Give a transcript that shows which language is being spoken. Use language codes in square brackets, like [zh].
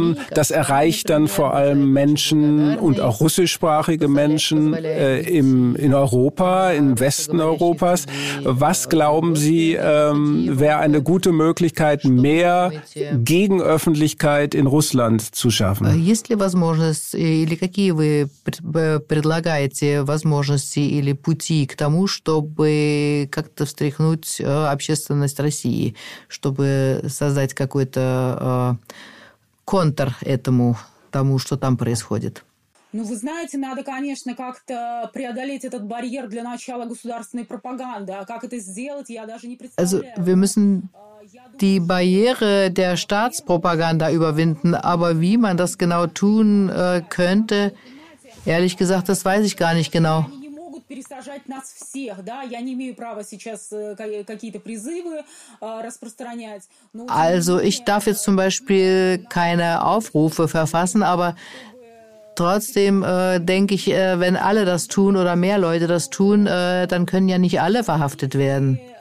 [de] Das erreicht dann vor allem Menschen und auch russischsprachige Menschen in Europa, im Westen Europas. Was glauben Sie, wäre eine gute Möglichkeit, mehr Gegenöffentlichkeit in Russland zu schaffen? [ru] Есть ли возможность или какие вы предлагаете возможности или пути к тому, чтобы как-то встряхнуть общественность России, чтобы создать какой-то контр этому, тому, что там происходит. Ну, вы знаете, надо, конечно, как-то преодолеть этот барьер для начала государственной пропаганды. А как это сделать, я даже не представляю. [de] Also, wir müssen die Barriere der Staatspropaganda überwinden, aber wie man das genau tun könnte, ehrlich gesagt, das weiß ich gar nicht genau. [ru] Пересажать нас всех, да? Я не имею права сейчас какие-то призывы распространять. [de] Also, ich darf jetzt zum Beispiel keine Aufrufe verfassen, aber trotzdem denke ich, wenn alle das tun oder mehr Leute das tun, dann können ja nicht alle verhaftet werden.